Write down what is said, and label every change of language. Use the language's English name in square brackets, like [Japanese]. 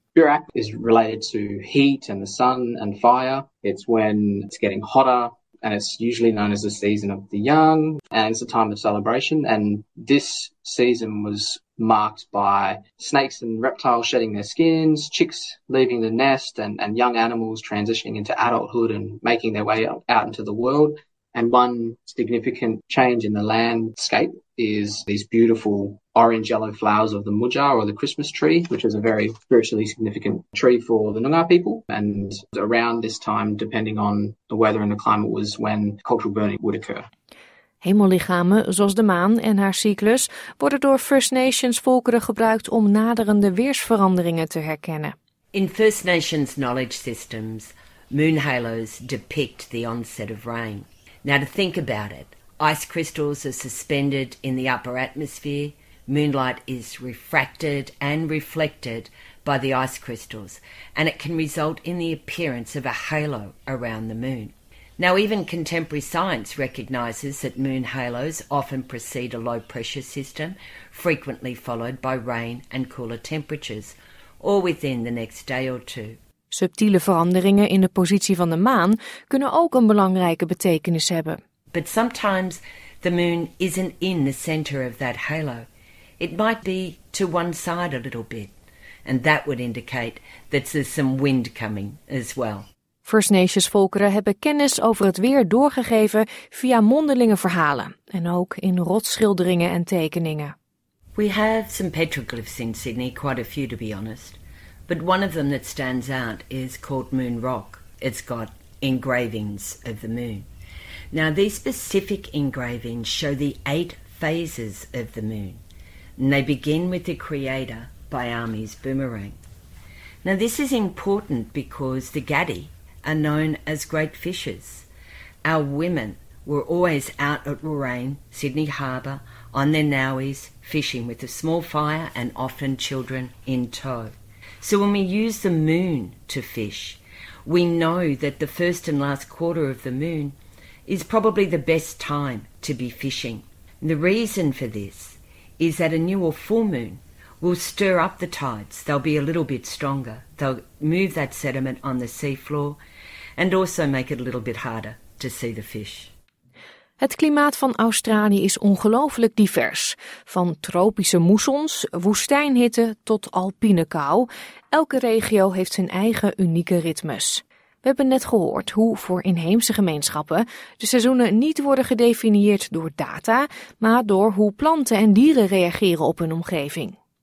[English] Birak is related to heat and the sun and fire. It's when it's getting hotter. And it's usually known as the season of the young, and it's a time of celebration. And this season was marked by snakes and reptiles shedding their skins, chicks leaving the nest, and young animals transitioning into adulthood and making their way out into the world. And one significant change in the landscape is these beautiful orange-yellow flowers of the Mujar or the Christmas tree, which is a very spiritually significant tree for the Noongar people. And around this time, depending on the weather and the climate, was when cultural burning would occur. [Dutch] Hemellichamen, zoals de maan en haar cyclus, worden door First Nations volkeren gebruikt om naderende weersveranderingen te herkennen. [English] In First Nations knowledge systems, moon halos depict the onset of rain. Now to think about it, ice crystals are suspended in the upper atmosphere. Moonlight is refracted and reflected by the ice crystals, and it can result in the appearance of a halo around the moon. Now even contemporary science recognizes that moon halos often precede a low pressure system, frequently followed by rain and cooler temperatures, or within the next day or two. [Dutch] Subtiele veranderingen in de positie van de maan kunnen ook een belangrijke betekenis hebben. [English] But sometimes the moon isn't in the center of that halo. It might be to one side a little bit, and that would indicate that there's some wind coming as well. [Dutch] First Nations volkeren hebben kennis over het weer doorgegeven via mondelinge verhalen en ook in rotsschilderingen en tekeningen. [English] We have some petroglyphs in Sydney, quite a few to be honest. But one of them that stands out is called Moon Rock. It's got engravings of the moon. Now, these specific engravings show the eight phases of the moon. And they begin with the creator by Army's boomerang. Now, this is important because the Gadi are known as great fishers. Our women were always out at Roraine, Sydney Harbour, on their nowies, fishing with a small fire and often children in tow. So when we use the moon to fish, we know that the first and last quarter of the moon is probably the best time to be fishing. And the reason for this is that a new or full moon will stir up the tides. They'll be a little bit stronger. They'll move that sediment on the seafloor and also make it a little bit harder to see the fish. [Dutch] Het klimaat van Australië is ongelooflijk divers. Van tropische moessons, woestijnhitte tot alpine kou. Elke regio heeft zijn eigen unieke ritmes. We hebben net gehoord hoe voor inheemse gemeenschappen de seizoenen niet worden gedefinieerd door data, maar door hoe planten en dieren reageren op hun omgeving.